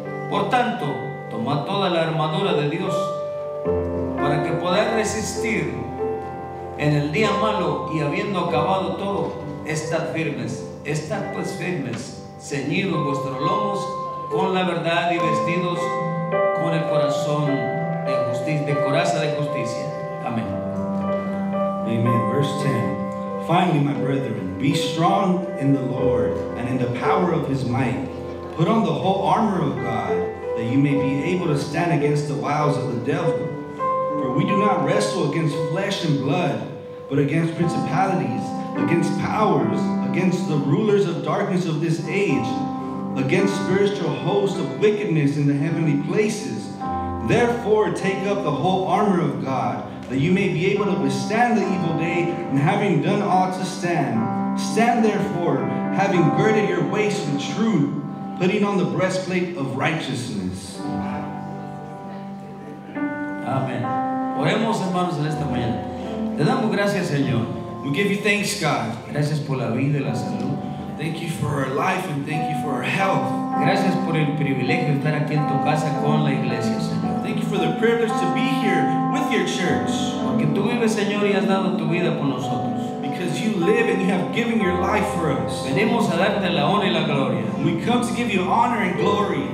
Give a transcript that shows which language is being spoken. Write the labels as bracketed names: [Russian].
[Spanish] Por tanto, tomad toda la armadura de Dios para que podáis resistir en el día malo y, habiendo acabado todo, estad firmes. Estad pues firmes, ceñidos vuestros lomos con la verdad y vestidos con el corazón de justicia, de coraza de justicia. Amén. [English] Amen. Verse 10. Finally, my brethren, be strong in the Lord and in the power of his might. Put on the whole armor of God, that you may be able to stand against the wiles of the devil. For we do not wrestle against flesh and blood, but against principalities, against powers, against the rulers of darkness of this age, against spiritual hosts of wickedness in the heavenly places. Therefore, take up the whole armor of God, that you may be able to withstand the evil day, and having done all to stand. Stand therefore, having girded your waist with truth, putting on the breastplate of righteousness. [Spanish] Amen. Oremos, hermanos, en esta mañana. Te damos gracias, Señor. [English] We give you thanks, God. [Spanish] Gracias por la vida y la salud. [English] Thank you for our life and thank you for our health. [Spanish] Gracias por el privilegio de estar aquí en tu casa con la iglesia, Señor. [English] Thank you for the privilege to be here with your church. [Spanish] Porque tú vives, Señor, y has dado tu vida por nosotros. [English] Because you live and you have given your life for us. [Spanish] Venimos a darte la honra y la gloria. [English] We come to give you honor and glory.